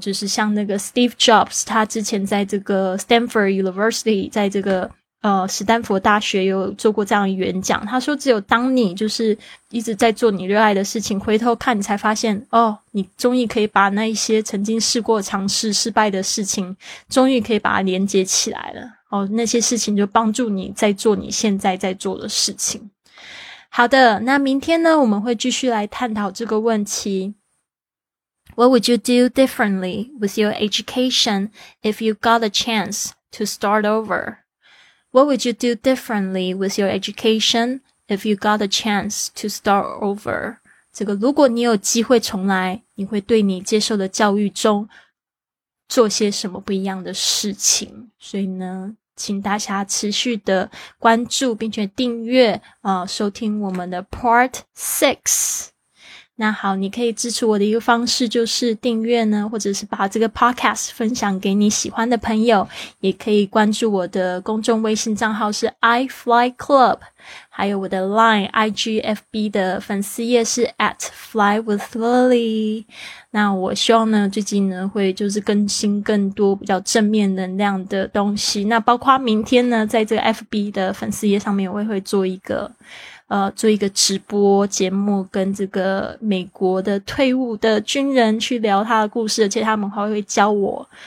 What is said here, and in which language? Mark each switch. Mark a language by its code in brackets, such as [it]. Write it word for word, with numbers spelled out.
[zh] 就是像那个 Steve Jobs， 他之前在这个 Stanford University， 在这个呃史丹佛大学有做过这样的演讲，他说只有当你就是一直在做你热爱的事情，回头看你才发现，哦，你终于可以把那一些曾经试过尝试失败的事情，终于可以把它连接起来了。哦，那些事情就帮助你在做你现在在做的事情。好的，那明天呢，我们会继续来探讨这个问题。 [en] What would you do differently with your education if you got a chance to start over? What would you do differently with your education if you got a chance to start over? [zh] 这个，如果你有机会重来，你会对你接受的教育中做些什么不一样的事情？所以呢，请大家持续的关注并且订阅、呃、收听我们的 Part six。那好，你可以支持我的一个方式就是订阅呢，或者是把这个 podcast 分享给你喜欢的朋友，也可以关注我的公众微信账号是 iFly Club。还有我的 Line、I G、F B 的粉丝页是 at fly with Lily。那我希望呢，最近呢会就是更新更多比较正面能量的东西。那包括明天呢，在这个 F B 的粉丝页上面，我也会做一个呃做一个直播节目，跟这个美国的退伍的军人去聊他的故事，而且他们还会教我。